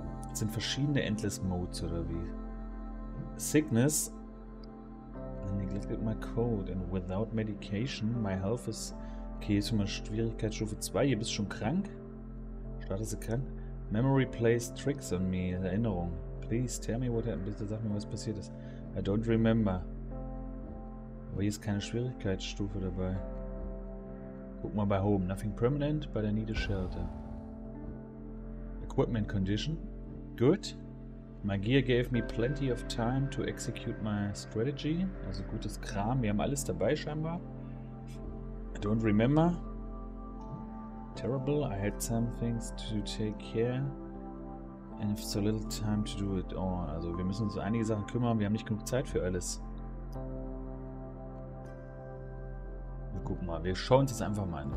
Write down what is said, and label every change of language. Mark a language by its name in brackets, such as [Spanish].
[German] Das sind verschiedene Endless Modes, oder wie? [English] Sickness? Neglected my code and without medication, my health is... [German] Okay, ist immer Schwierigkeitsstufe 2. Ihr bist schon krank? Schade, dass ihr krank. [English] Memory plays tricks on me. [German] Erinnerung. [English] Please tell me what happened. [German] Bitte sag mir, was passiert ist. [English] I don't remember. [German] Aber hier ist keine Schwierigkeitsstufe dabei. Guck mal bei Home. [English] Nothing permanent, but I need a shelter. Equipment condition. Good. My gear gave me plenty of time to execute my strategy. [German] Also gutes Kram. Wir haben alles dabei scheinbar. [English] I don't remember. Terrible. I had some things to take care. And if so little time to do it all. [German] Also wir müssen uns um einige Sachen kümmern. Wir haben nicht genug Zeit für alles. Wir gucken mal. Wir schauen uns das einfach mal an.